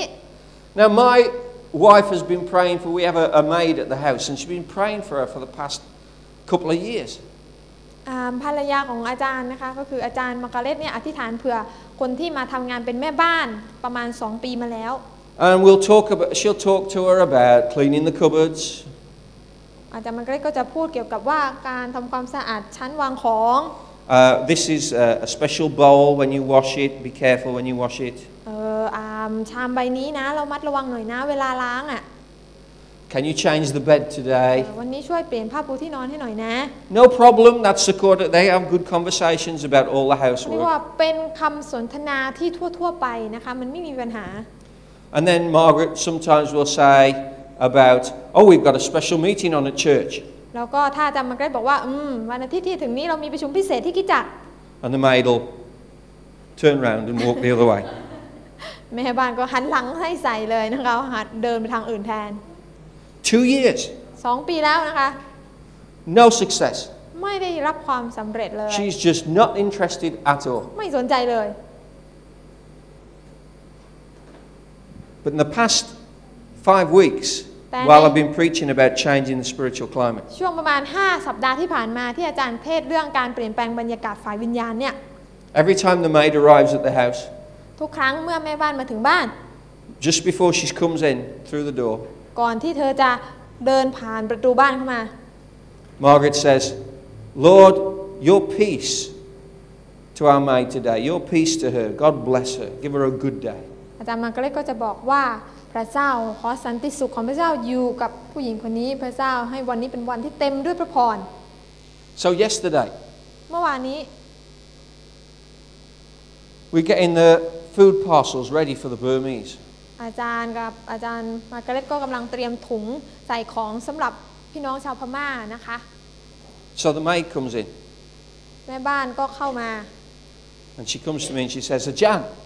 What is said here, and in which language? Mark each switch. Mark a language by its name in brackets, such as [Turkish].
[English] Now my wife has been praying for we have a maid at the house and she's been praying for her for the past couple of years. [Thai] ภรรยาของอาจารย์นะคะก็คืออาจารย์มาการ์เร็ตเนี่ยอธิษฐานเผื่อคนที่มาทำงานเป็นแม่บ้านประมาณ2ปีมาแล้ว [English] And we'll talk about. She'll talk to her about cleaning the cupboards. [Thai] อาจารย์มังกรก็จะพูดเกี่ยวกับว่าการทำความสะอาดชั้นวางของ [English] This is a special bowl. When you wash it, be careful when you wash it. [Thai] ชามใบนี้นะเรามัดระวังหน่อยนะเวลาล้างอ่ะ [English] Can you change the bed today? [Thai] วันนี้ช่วยเปลี่ยนผ้าปูที่นอนให้หน่อยนะ [English] No problem. That's accorded. They have good conversations about all the housework. [Thai] นี่ว่าเป็นคำสนทนาที่ทั่วๆไปนะคะมันไม่มีปัญหา [English] And then Margaret sometimes will say about, oh, we've got a special meeting on at church. [Thai] แล้วก็ถ้าจำมาเกรดบอกว่าวันอาทิตย์ที่ถึงนี้เรามีประชุมพิเศษที่กิจจ์ [English] And the maid will turn around and walk the other way. [Thai] แม่บ้านก็หันหลังให้ใส่เลยนะคะหันเดินไปทางอื่นแทน [English] 2 years. [Thai] 2ปีแล้วนะคะ [English] No success. [Thai] ไม่ได้รับความสำเร็จเลย [English] She's just not interested at all. [Thai] ไม่สนใจเลย [English] But in the past 5 weeks, while I've been preaching about changing the spiritual climate, [Thai] ช่วงประมาณ5สัปดาห์ที่ผ่านมาที่อาจารย์เทศเรื่องการเปลี่ยนแปลงบรรยากาศฝ่ายวิญญาณเนี่ย [English] Every time the maid arrives at the house, [Thai] ทุกครั้งเมื่อแม่บ้านมาถึงบ้าน [English] just before she comes in through the door, [Thai] ก่อนที่เธอจะเดินผ่านประตูบ้านเข้ามา [English] Margaret says, "Lord, your peace to our maid today. Your peace to her. God bless her. Give her a good day." [Thai] อาจารย์มาร์กาเร็ตก็จะบอกว่าพระเจ้าขอสันติสุขของพระเจ้าอยู่กับผู้หญิงคนนี้พระเจ้าให้วันนี้เป็นวันที่เต็มด้วยพระพร [English] So yesterday [Thai] เมื่อวานนี้ [English] We get in the food parcels ready for the Burmese [Thai] อาจารย์กับอาจารย์มาร์กาเร็ตก็กำลังเตรียมถุงใส่ของสำหรับพี่น้องชาวพม่านะคะ [English] So the maid comes in [Thai] แม่บ้านก็เข้ามา [English] And she comes to me and she says Ajahn